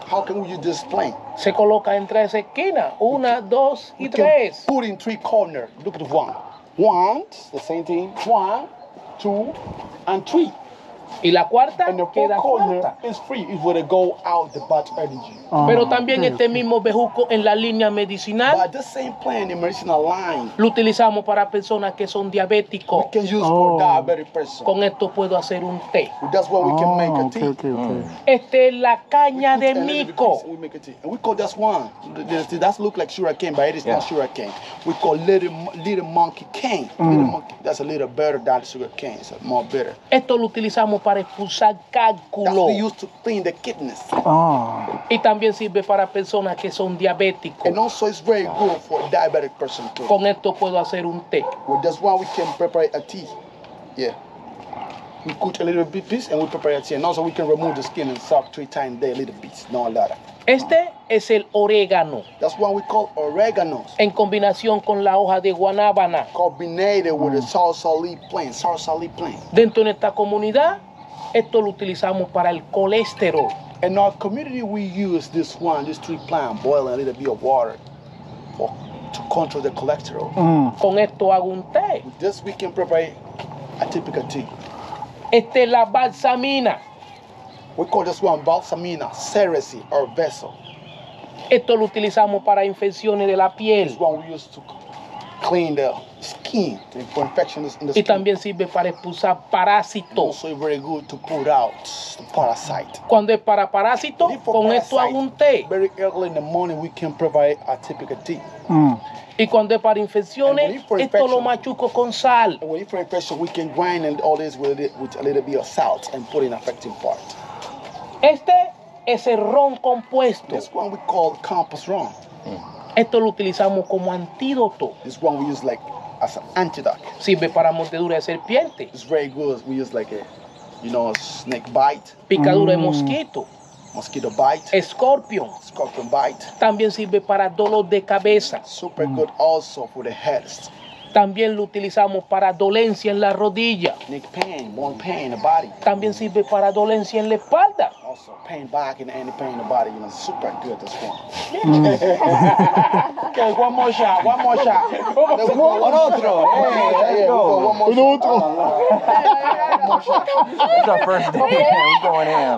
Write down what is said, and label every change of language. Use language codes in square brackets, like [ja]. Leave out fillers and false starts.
[en] How can we use this plant? [es] Se coloca en tres esquinas. Una, dos y tres. [en] Put in three corners. Look at one. One, the same thing. One, two, and three. [es] Y la cuarta [en] and the [es] queda cuarta. [en] Is free. It's where they go out the bad energy. [es] Pero también este mismo bejuco en la línea medicinal. [en] But the same plant in medicinal line. [es] Lo utilizamos para personas que son diabéticos. [en] We can use for diabetic person. [es] Con esto puedo hacer un té. [en] That's what we can make a tea. [es] Okay. Este es la caña de mico. [en] We make a tea. And we call this one. That's look like sugarcane, but it is not sugarcane. We call little monkey cane. Little monkey. That's a little better than sugarcane. It's more bitter. [es] Esto lo utilizamos para expulsar cálculo. [en] That's used to clean the kidneys. [es] Y también sirve para personas que son diabéticos. [en] And also it's very good for a diabetic person too. [es] Con esto puedo hacer un té. [en] Well, that's why we can prepare a tea. Yeah. We cut a little bit piece and we prepare a tea. And also we can remove the skin and soak 3 times a day, a little bit, not a lot. [es] Este es el orégano. [en] That's what we call oregano. [es] En combinación con la hoja de guanábana. [en] Combined with the salsa leaf plant. [es] Dentro de esta comunidad, esto lo utilizamos para el colesterol. [en] In our community, we use this one, this tree plant, boiling a little bit of water to control the cholesterol. [es] Con esto hago un té. [en] With this, we can prepare a typical tea. [es] Esta es la balsamina. [en] We call this one balsamina, cerasi, or vessel. [es] Esto lo utilizamos para infecciones de la piel. [en] This one we use to clean the skin, for infections in the [es] y [en] skin. [es] Y también sirve para expulsar parásitos. [en] Also very good to put out the parasite. [es] Cuando es para parásito, con esto hago un té. [en] Very early in the morning, we can provide a typical tea. [es] Y cuando es para infecciones, esto lo machuco con sal. [en] And when it's for infection, we can grind and all this with a little bit of salt and put in affecting part. [es] Este es el ron compuesto. [en] This one we call compass ron. [es] Esto lo utilizamos como antídoto. [en] This one we use like as an antidote. [es] Sirve para mordedura de serpiente. [en] It's very good. We use like a, you know, a snake bite. [es] Picadura de mosquito. [en] Mosquito bite. [es] Escorpión. [en] Scorpion bite. [es] También sirve para dolor de cabeza. [en] Super good also for the head. [es] También lo utilizamos para dolencia en la rodilla. [en] Neck pain, bone pain in the body. [es] También sirve para dolencia en la espalda. [en] Also pain back and any pain in the body, you know, super good this one. Okay, one more shot. [es] Otro. Otro. [en] It's our first day. We're going in.